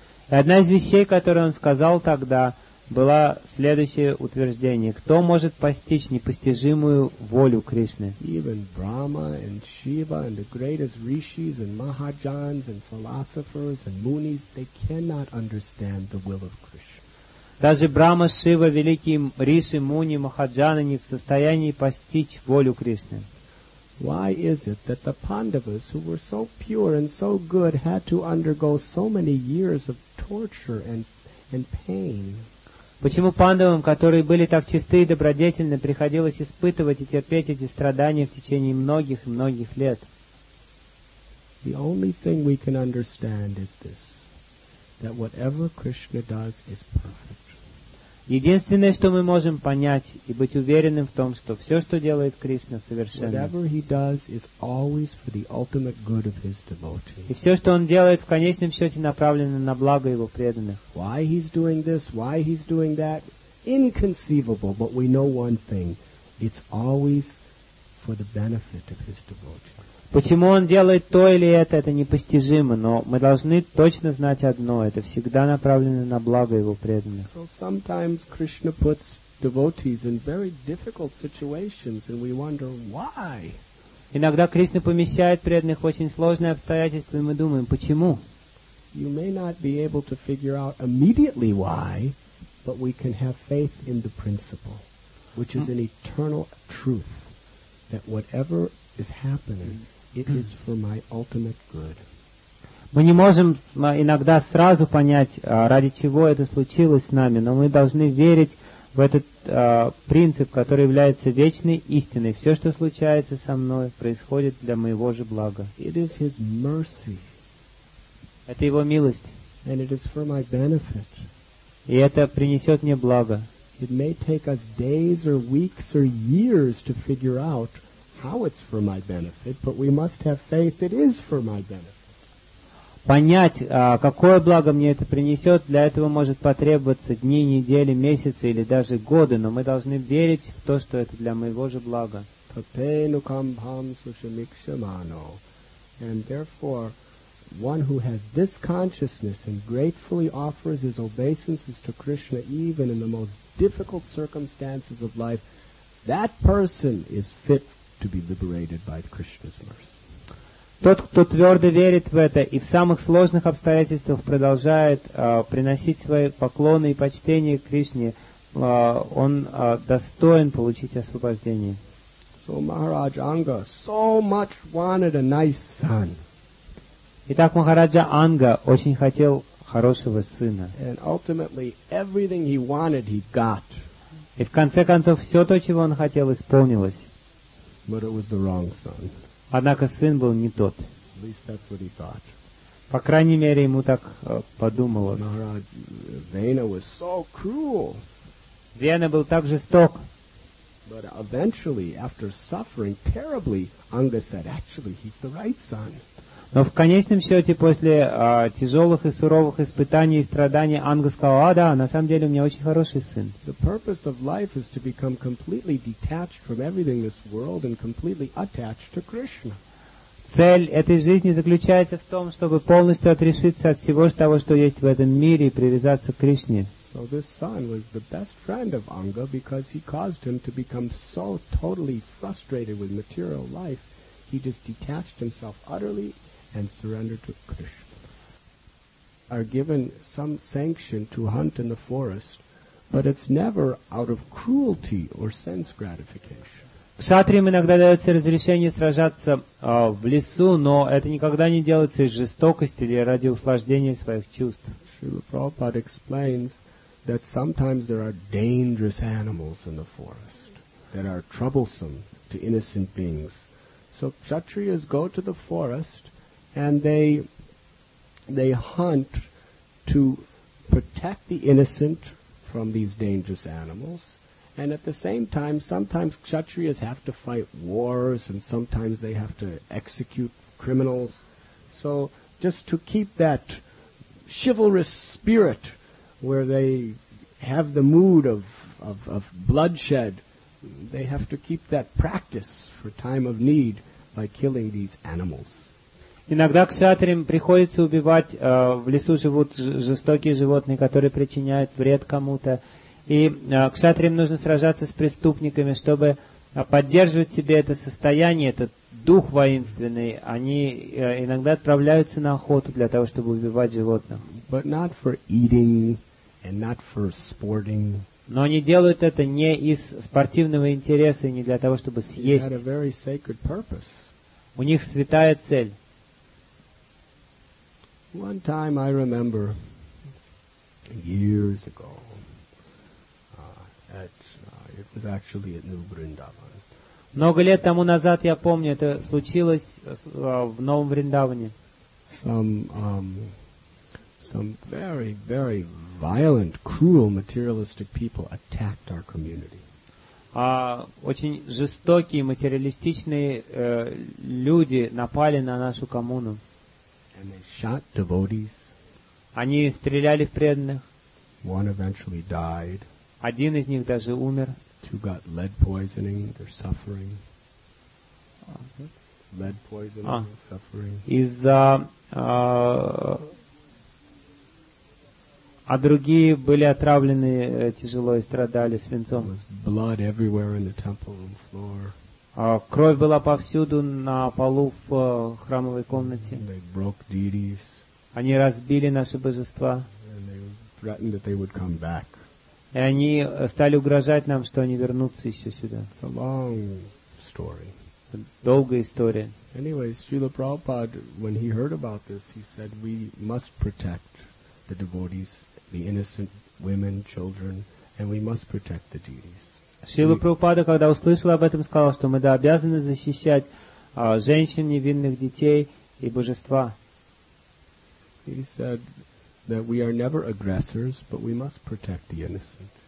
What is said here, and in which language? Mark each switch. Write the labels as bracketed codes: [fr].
[ru] И одна из вещей, которую он сказал тогда, было следующее утверждение. Кто может постичь непостижимую волю Кришны? [en] Even Brahma and Shiva and the greatest rishis and mahajans and philosophers and munis, they cannot understand the will of Krishna. [ru] Даже Брама, Шива, великие риши, муни, махаджаны не в состоянии постичь волю Кришны. [en] Why is it that the Pandavas, who were so pure and so good, had to undergo so many years of torture and pain? [ru] Почему пандавам, которые были так чисты и добродетельны, приходилось испытывать и терпеть эти страдания в течение многих и многих лет? [en] The only thing we can understand is this, that whatever Krishna does is perfect. [ru] Единственное, что мы можем понять и быть уверенным в том, что все, что делает Кришна, совершенно. [en] Whatever he does is always for the ultimate good of his devotee. [ru] И все, что он делает, в конечном счете направлено на благо его преданных. [en] Why he's doing this, why he's doing that, inconceivable, but we know one thing, it's always for the benefit of his devotee. [ru] Почему он делает то или это непостижимо, но мы должны точно знать одно, это всегда направлено на благо его преданных. [en] So sometimes Krishna puts devotees in very difficult situations, and we wonder why. [ru] Иногда Кришна помещает преданных в очень сложные обстоятельства, и мы думаем, почему? [en] You may not be able to figure out immediately why, but we can have faith in the principle, which is an eternal truth, that whatever is happening, it is for my ultimate good. [ru] Мы не можем иногда сразу понять, ради чего это случилось с нами, но мы должны верить в этот принцип, который является вечной истиной. Все, что случается со мной, происходит для моего же блага. [en] It is his mercy. [ru] Это его милость. [en] And it is for my benefit. [ru] И это принесет мне благо. [en] It may take us days or weeks or years to figure out how it's for my benefit, but we must have faith it is for my benefit. [ru] понять, какое благо мне это принесет, для этого может потребоваться дни, недели, месяцы или даже годы, но мы должны верить в то, что это для моего же блага. [en] And therefore, one who has this consciousness and gratefully offers his obeisances to Krishna even in the most difficult circumstances of life, that person is fit to be liberated by Krishna's mercy. [ru] Тот, кто твердо верит в это и в самых сложных обстоятельствах продолжает приносить свои поклоны и почтение Кришне, он достоин получить освобождение. [en] So Maharaj Anga so much wanted a nice son. [ru] Итак, Махараджа Анга очень хотел хорошего сына. [en] And ultimately everything he wanted he got. [ru] И в конце концов все то, чего он хотел, исполнилось. [en] But it was the wrong son. [ru] Однако сын был не тот. [en] At least that's what he thought. [ru] По крайней мере, ему так подумалось. [en] Maharaj Vena was so cruel. [ru] Вена был так жесток. [en] But eventually, after suffering terribly, Anga said, actually, he's the right son. [ru] Но в конечном счете, после тяжелых и суровых испытаний и страданий, Анга сказал, да, на самом деле у меня очень хороший сын. [en] The purpose of life is to become completely detached from everything in this world and completely attached to Krishna. [ru] Цель этой жизни заключается в том, чтобы полностью отрешиться от всего того, что есть в этом мире, и привязаться к Кришне. [en] So this son was the best friend of Anga because he caused him to become so totally frustrated with material life, he just detached himself utterly and surrendered to Krishna. Are given some sanction to hunt in the forest, but it's never out of cruelty or sense gratification. [ru] Кшатриям иногда дается разрешение сражаться в лесу, но это никогда не делается из жестокости или ради услаждения своих чувств. [en] Шрила Прабхупада explains that sometimes there are dangerous animals in the forest that are troublesome to innocent beings. So Kshatriyas go to the forest and they hunt to protect the innocent from these dangerous animals. And at the same time, sometimes Kshatriyas have to fight wars and sometimes they have to execute criminals. So just to keep that chivalrous spirit where they have the mood of bloodshed, they have to keep that practice for time of need by killing these animals. [ru] Иногда кшатриям приходится убивать, в лесу живут жестокие животные, которые причиняют вред кому-то. И кшатриям нужно сражаться с преступниками, чтобы поддерживать себе это состояние, этот дух воинственный. Они иногда отправляются на охоту для того, чтобы убивать животных. [en] But not for eating and not for sporting. [ru] Но они делают это не из спортивного интереса, не для того, чтобы съесть. [en] They had a very sacred purpose. [ru] У них святая цель. [en] One time I remember years ago, it was actually at New Vrindavan. [ru] Много лет тому назад, я помню, это случилось в Новом Вриндаване. [en] Some very, very violent, cruel, materialistic people attacked our community. [ru] Очень жестокие, материалистичные люди напали на нашу коммуну. [en] And they shot devotees. [ru] Они стреляли в преданных. [en] One eventually died. [ru] Один из них даже умер. [en] Two got lead poisoning, they're suffering. Lead poisoning, suffering. [ru] Из-за... А другие были отравлены тяжело и страдали свинцом. [en] There was blood everywhere in the temple room floor. [ru] Кровь была повсюду на полу в храмовой комнате. [en] And they broke deities. [ru] Они разбили наши божества. [en] And they threatened that they would come back. [ru] И они стали угрожать нам, что они вернутся еще сюда. [en] It's a long story. [ru] Долгая история. [en] Anyway, Srila Prabhupada, when he heard about this, he said, we must protect the devotees, the innocent women, children, and we must protect the deities. [ru] Srila Prabhupada, когда услышал об этом, сказал, что мы обязаны защищать женщин, невинных детей и божества. [en] He said that we are never aggressors, but we must protect the innocent.